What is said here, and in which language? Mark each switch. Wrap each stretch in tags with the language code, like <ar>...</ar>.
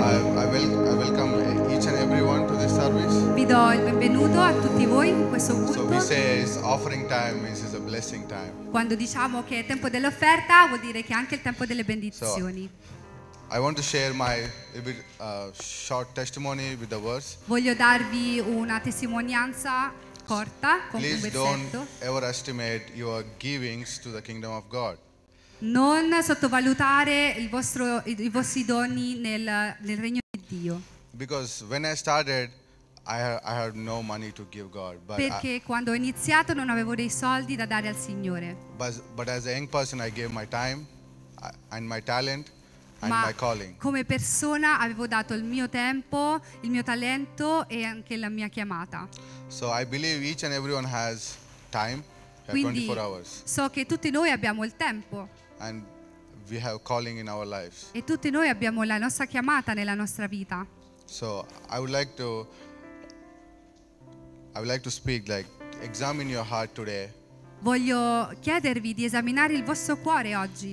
<en>I welcome each and everyone to this service.</en> <it>Vi do il benvenuto a tutti voi in questo culto.</it> <en>So we say it's offering time, this is a blessing time.</en> <it>Quando diciamo che è tempo dell'offerta, vuol dire che è anche il tempo delle benedizioni.</it> <en>So, I want to share my a short testimony with the words.</en> <it>Voglio darvi una testimonianza corta con</it> <en>Please</en> <it>un versetto.</it> <en>Don't ever estimate your givings to the kingdom of God.</en> <it>Non sottovalutare i vostri doni nel regno di Dio.</it> <en>Because when I started, I had no money to give God.</en> <it>But perché quando ho iniziato non avevo dei soldi da dare al Signore.</it> <en>But as a young person, I gave my time and my talent and</en> <it>Ma</it> <en>my calling.</en> <it>Come persona avevo dato il mio tempo, il mio talento e anche la mia chiamata.</it> <en>So I believe each and everyone has time.</en> <it>Quindi</it> <en>24 hours.</en> <it>So che tutti noi abbiamo il tempo.</it> <en>And we have calling in our lives.</en> <it>E tutti noi abbiamo la nostra chiamata nella nostra vita.</it> <en>So I would like to speak like examine your heart today.</en> <it>Voglio chiedervi di esaminare il vostro cuore oggi.</it>